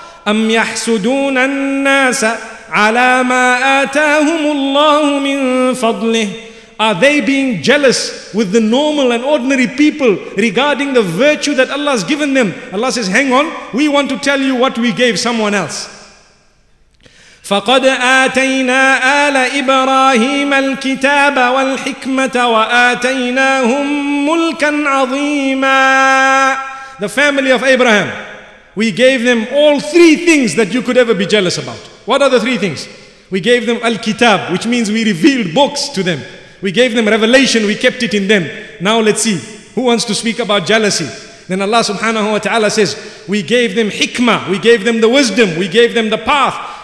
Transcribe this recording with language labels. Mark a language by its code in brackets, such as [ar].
[ar] أَمْ يَحْسُدُونَ النَّاسَ عَلَى مَا آتَاهُمُ اللَّهُ مِنْ فَضْلِهِ. [en] Are they being jealous with the normal and ordinary people regarding the virtue that Allah has given them? Allah says, hang on, we want to tell you what we gave someone else. [ar] فقد آتينا آل إبراهيم الكتاب والحكمة وآتيناهم ملكا عظيما. [en] The family of Abraham, we gave them all three things that you could ever be jealous about. What are the three things? We gave them al-kitab, which means we revealed books to them. We gave them revelation, we kept it in them. Now let's see, who wants to speak about jealousy? Then Allah subhanahu wa ta'ala says, we gave them hikmah, we gave them the wisdom, we gave them the path.